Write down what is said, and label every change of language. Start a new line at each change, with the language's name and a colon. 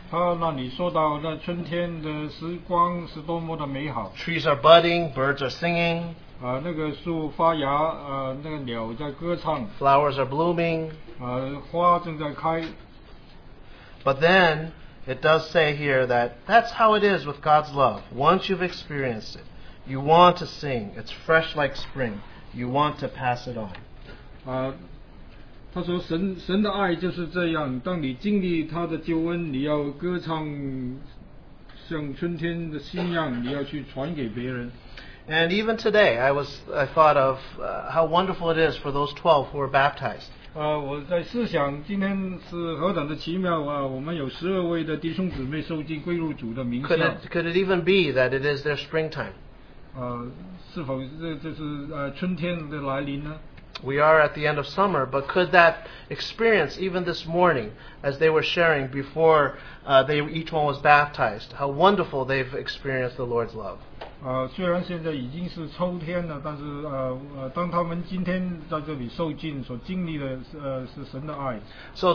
Chinese: 它那里说到那春天的时光是多么的美好。
English: Trees are budding, birds are singing.
Chinese: 那个树发芽, 那个鸟在歌唱。
English: Flowers are blooming.
Chinese: 花正在开。
English: But then, it does say here that that's how it is with God's love. Once you've experienced it, you want to sing. It's fresh like spring. You want to pass it on.
Chinese: 他说神的爱就是这样, 当你经历他的救恩, 你要歌唱, 像春天的新样, 你要去传给别人。
English: And even today, I thought of how wonderful it is for those 12 who were baptized.
Chinese: 我在思想今天是何等的奇妙啊, 我们有12位的弟兄姊妹受浸归入主的名下。
English: Could it even be that it is their springtime?
Chinese: 是否这是春天的来临呢?
English: We are at the end of summer, but could that experience, even this morning, as they were sharing before each one was baptized, how wonderful they've experienced the Lord's love.
Chinese: 虽然现在已经是秋天了，但是当他们今天在这里受浸所经历的是神的爱。So